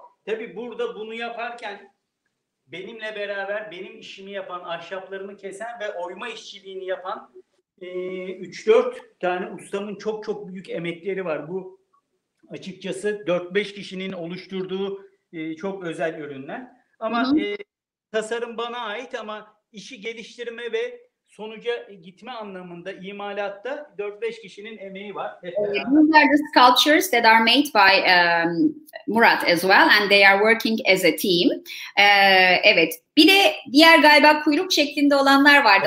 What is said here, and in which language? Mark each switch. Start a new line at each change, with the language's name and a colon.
Turkish: Tabii burada bunu yaparken benimle beraber benim işimi yapan, ahşaplarımı kesen ve oyma işçiliğini yapan 3-4 tane ustamın çok çok büyük emekleri var. Bu açıkçası 4-5 kişinin oluşturduğu çok özel ürünler. Ama tasarım bana ait ama işi geliştirme ve sonuca gitme anlamında imalatta 4-5 kişinin emeği var.
English: These are the sculptures that are made by Murat as well and they are working as a team.
Turkish: Evet, bir de diğer galiba kuyruk şeklinde olanlar vardı.